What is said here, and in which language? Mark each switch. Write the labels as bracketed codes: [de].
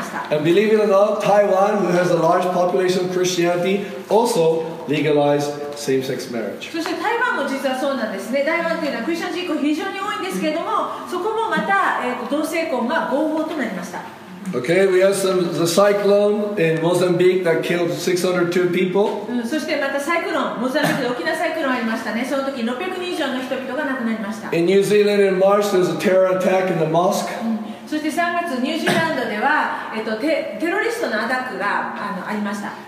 [en] And believe it or not, Taiwan, who has a large population of Christianity, also legalized same-sex marriage. [ja] そして台湾も実はそうなんですね。台湾というのはクリスチャン人口非常に多いんですけれども、そこもまた、同性婚が合法となりました。 [en] Okay, we have some the cyclone in Mozambique that killed 602 people. [ja] そしてまたサイクロン、モザンビークで大きなサイクロンありましたね。その時600人以上の人々が亡くなりました。 [en] In New Zealand in March, there was a terror attack in the mosque. [ja] そして3月、ニュージーランドでは、テロリストのアタックがありました。